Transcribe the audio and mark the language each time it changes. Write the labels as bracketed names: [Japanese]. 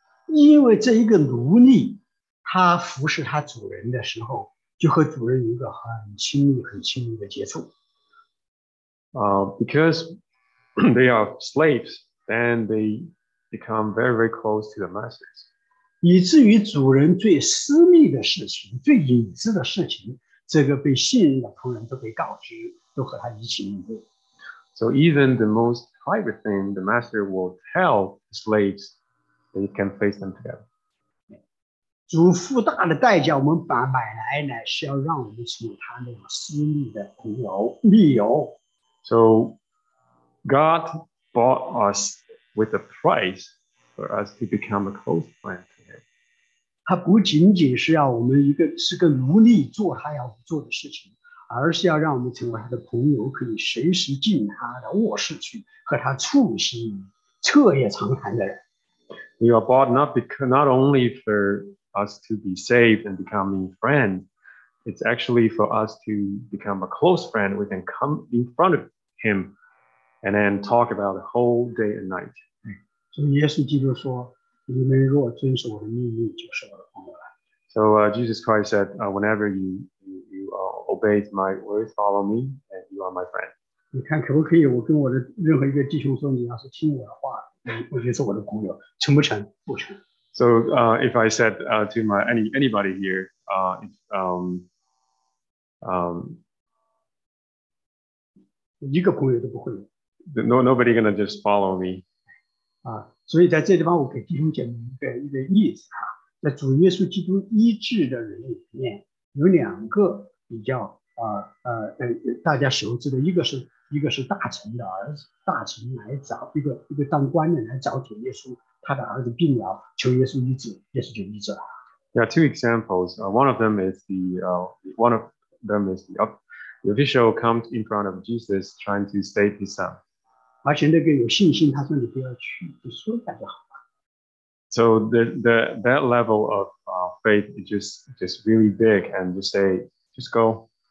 [Chinese] 因为这一个奴隶他服侍他主人的时候就和主人有一个很亲密的接触。 [English] Because they are slaves, then they become very, very close to the masters. [Chinese] 以至于主人最私密的事情最隐私的事情这个被信任的仆人都被告知都和他一起面对。 [English] So even the most private thing, the master will tell the slaves that you can face them together. [Chinese] 主付大的代价我们买来呢是要让我们成为他那种私密的朋友密友。 [English] So God bought us with a price for us to become a close friend to him. [Chinese] 他不仅仅是要我们是个奴隶做他要做的事情。而是要让我们成为他的朋友，可以随时进他的卧室去和他促膝彻夜长谈的人。 [English] You are bought not only for us to be saved and becoming friends, it's actually for us to become a close friend. We can come in front of him and then talk about the whole day and night. [Chinese] 所以耶稣基督说：“你们若遵守我的命令，就是我的朋友了。” [English] So Jesus Christ said, "Whenever you are obey my words, follow me, and you are my friend." [Chinese] 你看可不可以？我跟我的任何一个弟兄说，你要是听我的话，我就是我的朋友，成不成？不成。 [English] So if I said to my anybody here, nobody gonna just follow me. [Chinese] 所以在这地方我给弟兄姐妹一个例子啊。在主耶稣基督医治的人里面，有两个比较大家熟知的，一个是大臣的儿子，大臣来找一个当官的来找主耶稣，他的儿子病了，求耶稣医治，耶稣就医治了。Yeah, [English] two examples. One of them is the official comes in front of Jesus trying to save his son. [Chinese] 而且那个有信心，他说你不要去，你说一下就好。 [English] So that level of faith is just really big, and you say, just go.